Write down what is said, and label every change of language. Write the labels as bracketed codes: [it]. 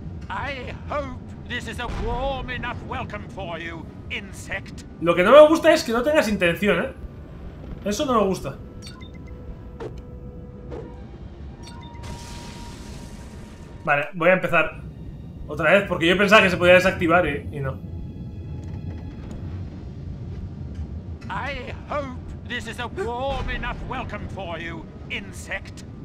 [en] I hope this is a warm enough welcome for you, insect. [es] Lo que no me gusta es que no tengas intención, ¿eh? Eso no me gusta. Vale, voy a empezar otra vez, porque yo pensaba que se podía desactivar y no. [en] I hope this is a warm enough welcome for you, insect.